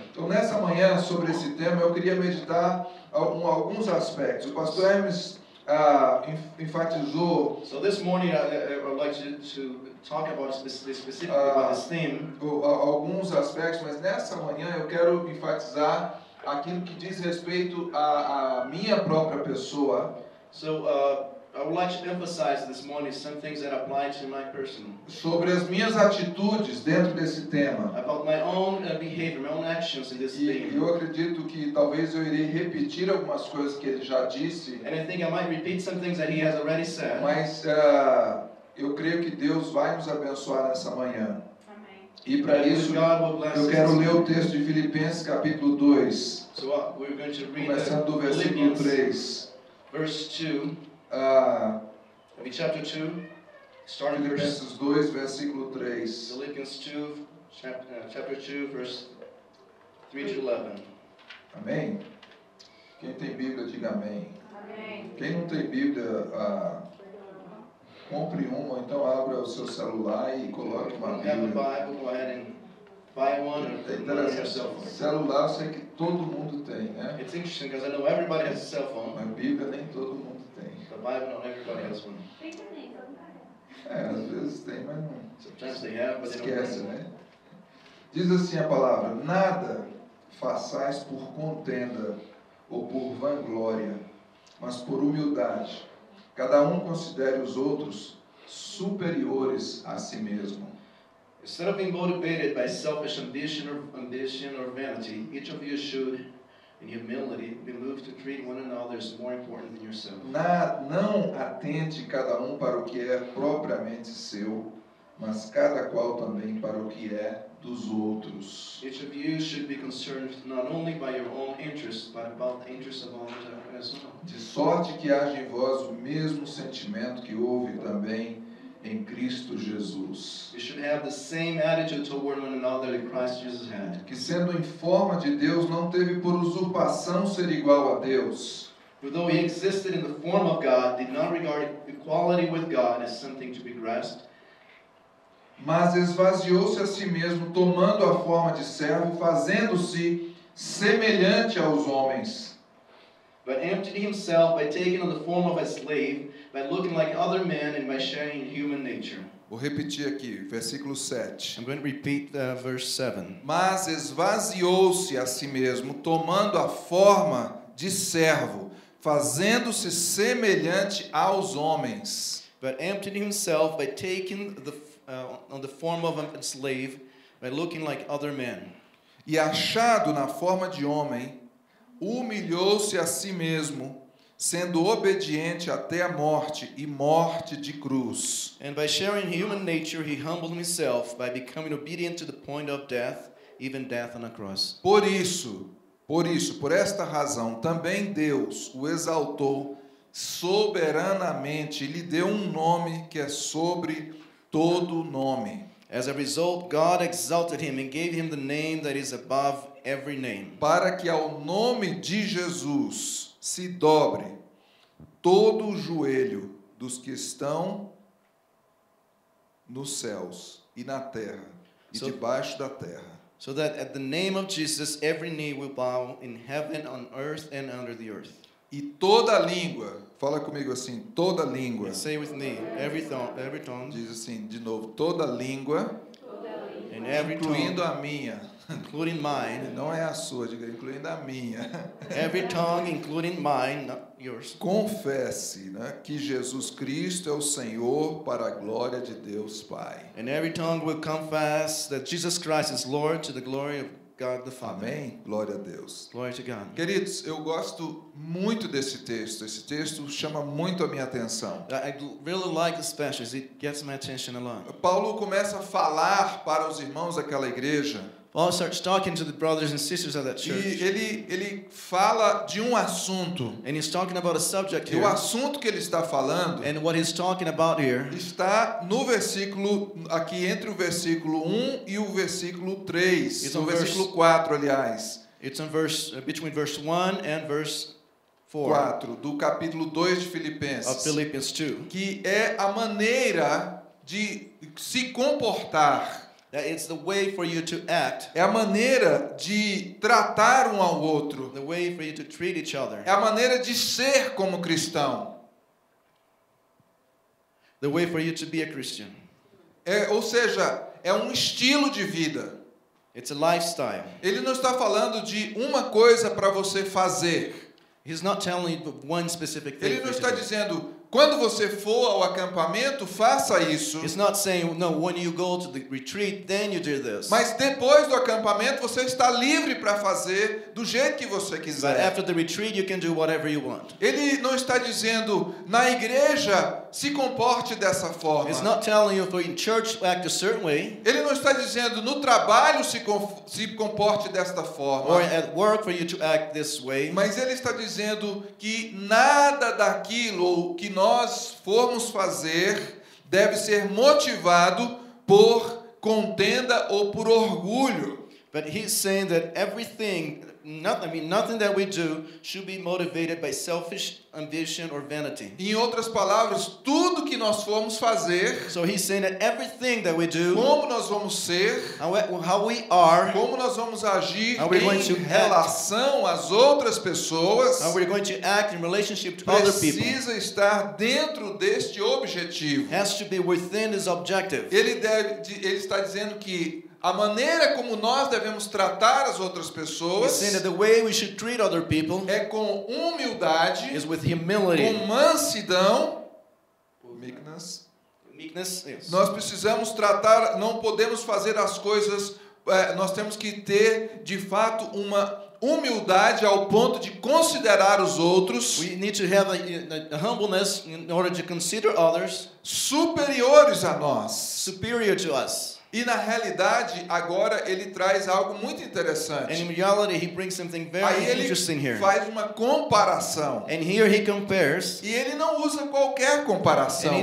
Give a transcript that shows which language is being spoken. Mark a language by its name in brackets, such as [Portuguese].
[Portuguese] Então nessa manhã sobre esse tema eu queria meditar alguns aspectos. O pastor Hermes enfatizou. [English] So this morning I would like to talk about specifically about this theme. [Portuguese] Alguns aspectos, mas nessa manhã eu quero enfatizar aquilo que diz respeito à minha própria pessoa. [English] So I would like to emphasize this morning some things that apply to my person. [Portuguese] Sobre as minhas atitudes dentro desse tema. [English] About my own behavior, my own actions in this theme. [Portuguese] E eu acredito que talvez eu irei repetir algumas coisas que ele já disse. [English] And I think I might repeat some things that he has already said. [Portuguese] Mas eu creio que Deus vai nos abençoar nessa manhã. Amém. E para isso, eu quero ler o texto de Filipenses capítulo 2. [English] So we're going to read [Portuguese] começando do versículo [English] Philippians, 3. Verse 2. Chapter 2, starting [Portuguese] Filipenses 2, versículo 3. [English] Philippians 2, chapter 2, verse 3-11. [Portuguese] Amém? Quem tem Bíblia, diga amém. Amém. Quem não tem Bíblia, compre uma, ou então abra o seu celular e coloque uma Bíblia. [English] Have a Bible, go ahead and buy one. [Portuguese] É interessante. Celular, eu sei que todo mundo tem, né? [English] It's interesting, because I know everybody has a cell phone. [Portuguese] Mas Bíblia, nem todo mundo. [English] The Bible, not everybody has one. [Portuguese] Às vezes tem, mas não. [English] Sometimes they have, but [Portuguese] esquece, [English] they don't [Portuguese] né? Diz assim a palavra: nada façais por contenda ou por vanglória, mas por humildade. Cada um considere os outros superiores a si mesmo. [English] Instead of being motivated by selfish ambition or vanity, each of you should in humility, be moved to treat one another as more important than yourself. [Portuguese] Não atente cada um para o que é propriamente seu, mas cada qual também para o que é dos outros. [English] Each of you should be concerned not only by your own interests, but about the interests of others as well. [Portuguese] De sorte que haja em vós o mesmo sentimento que houve também em Cristo Jesus. [English] You should have the same attitude toward one another that Christ Jesus had. [Portuguese] Que sendo em forma de Deus, não teve por usurpação ser igual a Deus. [English] For though he existed in the form of God, did not regard equality with God as something to be grasped. [Portuguese] Mas esvaziou-se a si mesmo, tomando a forma de servo, fazendo-se semelhante aos homens. [English] But emptied himself by taking on the form of a slave, by looking like other men and by sharing human nature. [Portuguese] Vou repetir aqui, versículo 7. [English] I'm going to repeat verse 7. [Portuguese] Mas esvaziou-se a si mesmo, tomando a forma de servo, fazendo-se semelhante aos homens. [English] But emptied himself by taking on the form of a slave, by looking like other men. [Portuguese] E achado na forma de homem, humilhou-se a si mesmo, sendo obediente até a morte e morte de cruz. [English] And by sharing human nature, he humbled himself by becoming obedient to the point of death, even death on a cross. [Portuguese] Por isso, por esta razão, também Deus o exaltou soberanamente e lhe deu um nome que é sobre todo nome. [English] As a result, God exalted him and gave him the name that is above every name. [Portuguese] Para que ao nome de Jesus se dobre todo o joelho dos que estão nos céus e na terra e so, debaixo da terra. [English] So that at the name of Jesus every knee will bow in heaven, on earth and under the earth. [Portuguese] E toda a língua, fala comigo assim, toda a língua. [English] And say with me, every tongue. [Portuguese] Diz assim, de novo, toda a língua, [English] and every [Portuguese] incluindo [English] tongue, [Portuguese] a minha. [English] Including mine. [Portuguese] Não é a sua, diga, incluindo a minha. [English] Every tongue, including mine, not yours. [Portuguese] Confesse, né, que Jesus Cristo é o Senhor para a glória de Deus Pai. [English] And every tongue will confess that Jesus Christ is Lord to the glory of God the Father. [Portuguese] Amém. Glória a Deus. [English] Glory to God. [Portuguese] Queridos, eu gosto muito desse texto. Esse texto chama muito a minha atenção. [English] I really like this passage. It gets my attention a lot. [Portuguese] Paulo começa a falar para os irmãos daquela igreja. [English] Paul starts talking to the brothers and sisters of that church. [Portuguese] E ele fala de um assunto. [English] And he's talking about a subject here. [Portuguese] E o assunto que ele está falando. [English] And what he's talking about here. [Portuguese] Está no versículo, aqui entre o versículo 1 e o versículo 3. [English] It's [Portuguese] no versículo 4, aliás. [English] It's in verse, between verse 1 and verse 4. [Portuguese] 4, do capítulo 2 de Filipenses. [English] Of Philippians 2. [Portuguese] Que é a maneira de se comportar. [English] It's the way for you to act. [Portuguese] É a maneira de tratar um ao outro. [English] The way for you to treat each other. [Portuguese] É a maneira de ser como cristão. [English] The way for you to be a Christian. [Portuguese] É, ou seja, é um estilo de vida. [English] It's a lifestyle. [Portuguese] Ele não está falando de uma coisa para você fazer. [English] He's not telling you one specific thing. [Portuguese] Ele não está dizendo, quando você for ao acampamento, faça isso. [English] It's not saying, no, when you go to the retreat, then you do this. [Portuguese] Mas depois do acampamento, você está livre para fazer do jeito que você quiser. [English] But after the retreat, you can do whatever you want. [Portuguese] Ele não está dizendo, na igreja, se comporte dessa forma. [English] It's not telling you, in church, act a certain way. [Portuguese] Ele não está dizendo, no trabalho, se comporte desta forma. [English] Or at work, for you to act this way. [Portuguese] Mas ele está dizendo que nada daquilo que nós formos fazer deve ser motivado por contenda ou por orgulho. [English] But he's saying that everything, nothing that we do should be motivated by selfish ambition or vanity. [Portuguese] Em outras palavras, tudo que nós formos fazer, [English] so he's saying that everything that we do, [Portuguese] como nós vamos ser, [English] how we are, [Portuguese] como nós vamos agir, [English] how we're going to [Portuguese] em relação [English] act, [Portuguese] às outras pessoas, [English] how we're going to act in relationship to other people, [Portuguese] precisa estar dentro deste objetivo. [English] Has to be within this objective. [Portuguese] Ele está dizendo que a maneira como nós devemos tratar as outras pessoas [English] the way we should treat other people [Portuguese] é com humildade, [English] is with humility, [Portuguese] com mansidão, meekness. [English] Meekness, yes. [Portuguese] Nós precisamos tratar, não podemos fazer as coisas, nós temos que ter, de fato, uma humildade ao ponto de considerar os outros. [English] We need to have a humbleness in order to consider others [Portuguese] superiores a nós. [English] Superior to us. [Portuguese] E na realidade, agora ele traz algo muito interessante. [English] And in reality, he brings something very interesting here. [Portuguese] Aí ele faz uma comparação. [English] And here he compares. [Portuguese] E ele não usa qualquer comparação para isso.